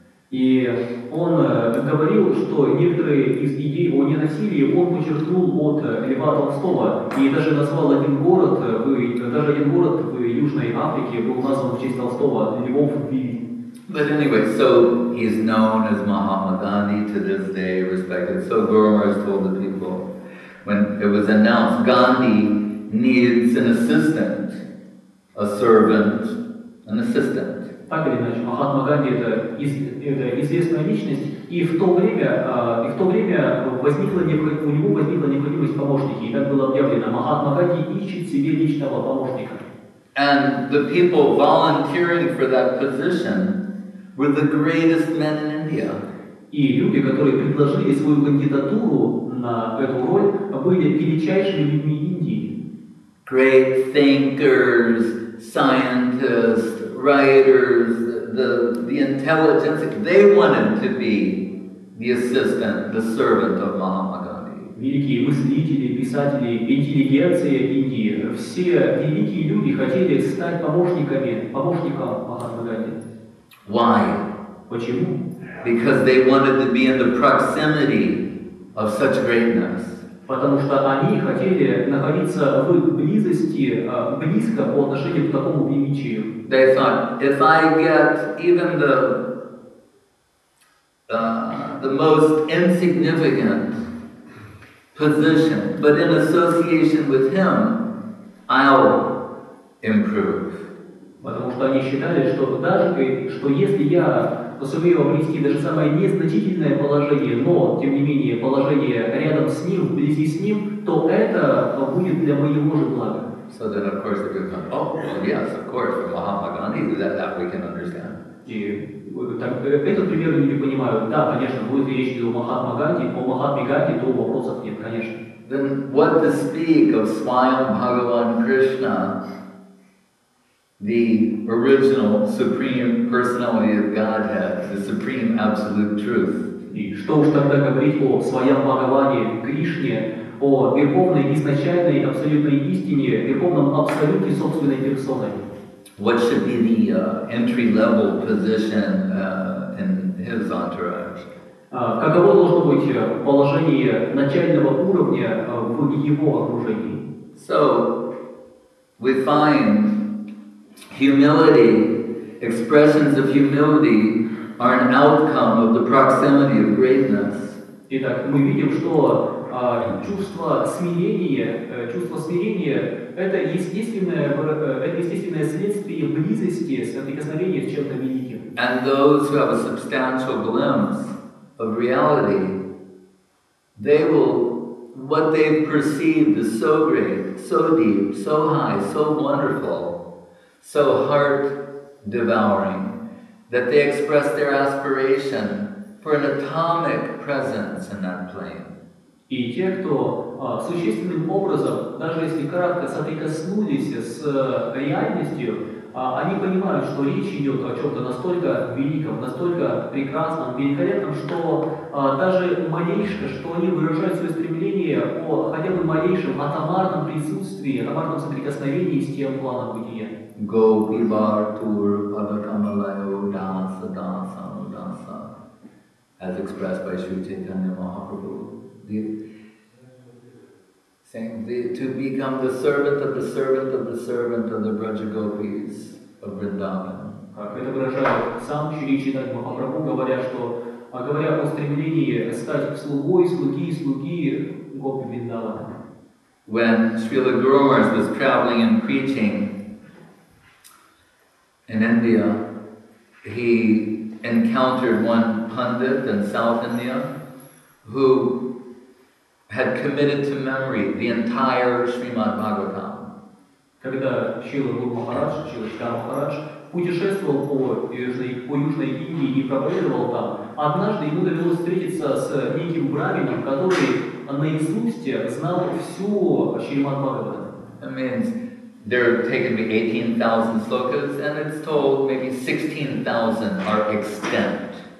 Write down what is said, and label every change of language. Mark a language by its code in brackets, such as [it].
[ru] И он говорил, что некоторые из идей о ненасилии он почерпнул от Льва Толстого и даже назвал один город, даже один город в Южной Африке был назван в честь Толстого Львовиль. [en] But anyway, so he's known as Mahatma Gandhi to this day, respected. So Guru Maharaj told the people when it was announced, Gandhi needs an assistant. A servant, an assistant. [ru] Так или иначе, Махатма Ганди это известная личность, и в то время у него возникла необходимость помощники. И так было объявлено, Махатма Ганди ищет себе личного помощника. [en] And the people volunteering for that position were the greatest men in India. [ru] И люди, которые предложили свою кандидатуру на эту роль, были величайшими людьми Индии. [en] Great thinkers, scientists, writers, the intelligence, they wanted to be the assistant, the servant of Mahatma Gandhi. [ru] Великие мыслители, писатели, интеллигенция Индии, все великие люди хотели стать помощником Махатмы Ганди. [en] Why? [ru] Почему? [en] Because they wanted to be in the proximity of such greatness. [ru] Потому что они хотели находиться в близости, близко по отношению к такому величию. [en] They thought, if I get even the most insignificant position, but in association with him, I'll improve. [ru] Потому что они считали, что даже что если я сумею обрести даже самое незначительное положение, но, тем не менее, положение рядом с ним, вблизи с ним, то это будет для моего же блага. [en] So then, of course, if you come, oh, well, yes, of course, for Mahatma Gandhi, that we can understand. [ru] Этот пример люди понимают. Да, конечно, будет речь идет о Махатме Ганди, о Махатме Ганди, то вопросов нет, конечно. [en] Then what to speak of Swayam Bhagavan Krishna, the original supreme personality of Godhead, the supreme absolute truth. [ru] И что уж тогда говорить о своем Бхагаване Кришне, о верховной, изначальной, абсолютной истине, верховном абсолюте собственной персоной. [en] What should be the entry-level position in his entourage? [ru] Каково должно быть положение начального уровня в его окружении? [en] So, we find humility, expressions of humility are an outcome of the proximity of greatness. [ru] Итак, мы видим, что чувство смирения это естественное следствие близости, соприкосновения с чем-то великим. [en] And those who have a substantial glimpse of reality, they will, what they've perceived is so great, so deep, so high, so wonderful, so heart-devouring, that they express their aspiration for an atomic presence in that plane. [ru] И те, кто существенным образом, даже если кратко, соприкоснулись с реальностью, они понимают, что речь идет о чем-то настолько великом, настолько прекрасном, великолепном, что даже малейшее, что они выражают свое стремление о хотя бы малейшем атомарном присутствии, атомарном соприкосновении с тем планом бытия. [sa] Гопи Бхартур Падакамалайо Даса Даса Даса, [en] as expressed by Sri Chaitanya Mahaprabhu. To become the servant of the servant of the servant of the Braja Gopis of Vrindavan. [ru] Как это выражает сам Шри Чайтанья Махапрабху, говоря о стремлении стать слугой, слуги Гопи Вриндавана. [en] When Srila Guru Maharaj was traveling and preaching in India, he encountered one pundit in South India who had committed to memory the entire Srimad Bhagavatam. [ru] Когда Шрила Гуру Махарадж путешествовал по южной Индии и проповедовал там, однажды ему довелось встретиться с неким брахманом, который наизусть знал всю Шримад Бхагаватам. [en] That means there are taken maybe 18,000 slokas, and it's told maybe 16,000 are extant.